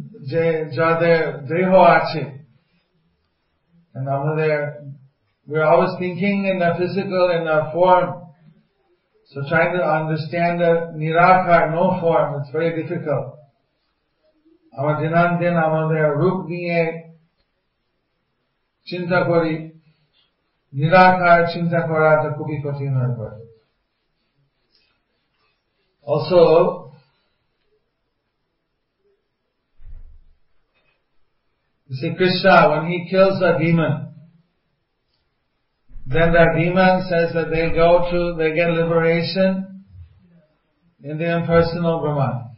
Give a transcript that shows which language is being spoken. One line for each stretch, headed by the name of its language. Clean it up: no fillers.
Bangla: যে যাদের দেহ আছে,
English: and
Bangla: আমাদের
English: we are always thinking in the physical, in the form, so trying to understand the nirakar, no form, it's very difficult.
Bangla: আমরা দিনান্তিন আমাদের রূপ নিয়ে চিন্তা করি, নিরাকার চিন্তা করা তো খুবই কঠিন হয়ে পড়ে.
English: Also, you see, Krishna, when he kills a demon, then that demon says that they go to, they get liberation in the impersonal Brahman.